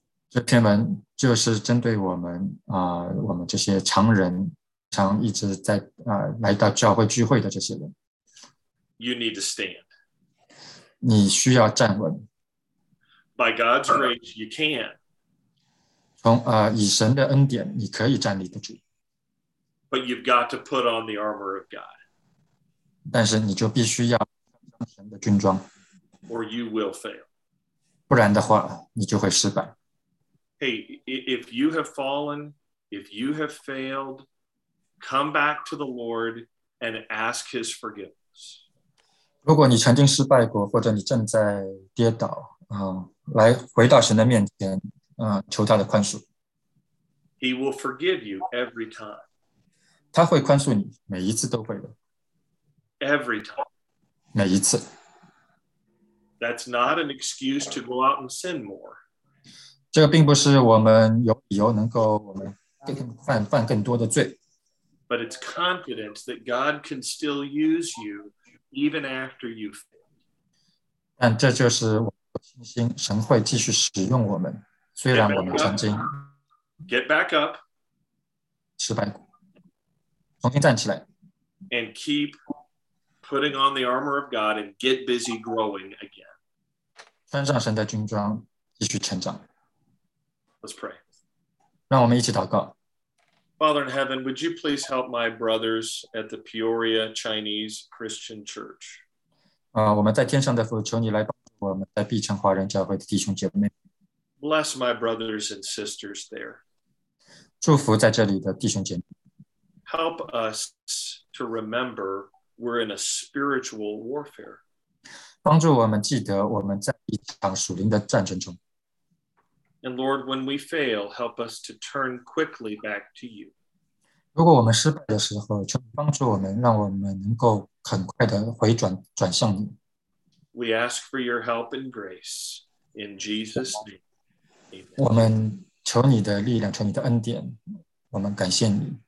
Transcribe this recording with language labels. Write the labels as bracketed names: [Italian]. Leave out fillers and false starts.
[Chinese] 这篇文就是针对我们啊、我们这些常人，常一直在啊、来到教会聚会的这些人。 [English] You need to stand. [Chinese] 你需要站稳。 [English] By God's grace, you can. [Chinese] 从啊、以神的恩典，你可以站立得住。 [English] But you've got to put on the armor of God. [Chinese] 但是你就必须要穿神的军装。 [English] Or you will fail. [Chinese] 不然的话，你就会失败。 [English] Hey, if you have fallen, if you have failed, come back to the Lord and ask His forgiveness. [Chinese] 如果你曾经失败过，或者你正在跌倒，来回到神的面前，求他的宽恕。 [English] He will forgive you every time. [Chinese] 他会宽恕你，每一次都会的。 [English] Every time. [Chinese] 每一次。 [English] That's not an excuse to go out and sin more. [Chinese] 这个并不是我们有理由能够我们犯更多的罪。 [English] But it's confidence that God can still use you even after you've failed. [Chinese] 但这就是我的信心，神会继续使用我们，虽然我们曾经 [English] get back up, [Chinese] 失败过，重新站起来 [English] and keep putting on the armor of God and get busy growing again. [Chinese] 穿上神的军装，继续成长。 [English] Let's pray. [Chinese] 让我们一起祷告。 [English] Father in heaven, would you please help my brothers at the Peoria Chinese Christian Church? [Chinese] 我们在天上的父，求你来帮助我们在毕城华人教会的弟兄姐妹。 [English] Bless my brothers and sisters there. [Chinese] 祝福在这里的弟兄姐妹。 [English] Help us to remember we're in a spiritual warfare. [Chinese] 帮助我们记得我们在一场属灵的战争中。 [English] And Lord, when we fail, help us to turn quickly back to you. [Chinese] 如果我们失败的时候，求你帮助我们，让我们能够很快的转向你。 [English] We ask for your help and grace in Jesus' name. Amen. [Chinese] 我们求你的力量，求你的恩典，我们感谢你。